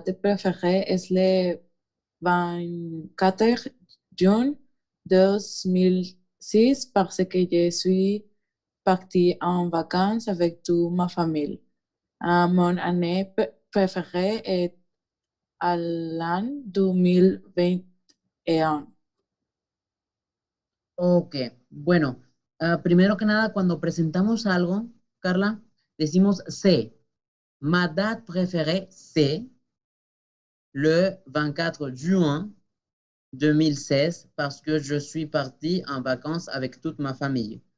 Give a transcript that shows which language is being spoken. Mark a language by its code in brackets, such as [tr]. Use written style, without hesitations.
[fr] Ma date préférée es le 24 juin 2006 parce que je suis parti en vacances avec toute ma famille. Mon année préférée est à l'an 2021. [es] Ok, bueno, primero que nada, cuando presentamos algo, Carla, decimos C. [fr] Ma date préférée, [es] C. [fr] le 24 juin 2016 parce que je suis parti en vacances avec toute ma famille.